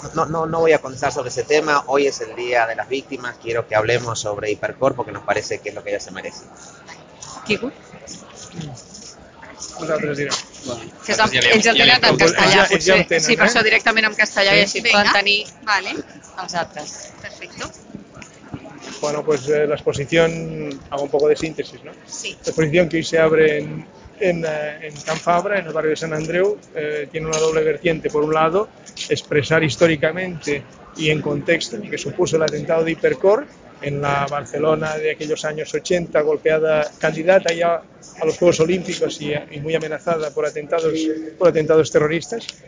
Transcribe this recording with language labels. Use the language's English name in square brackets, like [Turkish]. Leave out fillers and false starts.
[Spanish] No voy a contestar sobre ese tema. Hoy es el Día de las Víctimas. Quiero que hablemos sobre Hipercor porque nos parece que es lo que ella se merece. Kiko. [Catalan] Vosaltres direu. Bueno, ells el tenen en castellà. Sí, per això directament en castellà i així poden tenir els altres. [Spanish] Perfecto. Bueno, pues la exposición, hago un poco de síntesis, ¿no? Sí. La exposición que hoy se abre en Can Fabra, en el barrio de San Andreu, tiene una doble vertiente. Por un lado, expresar históricamente y en contexto lo que supuso el atentado de Hipercor en la Barcelona de aquellos años 80, golpeada, candidata ya a los Juegos Olímpicos y muy amenazada por atentados terroristas.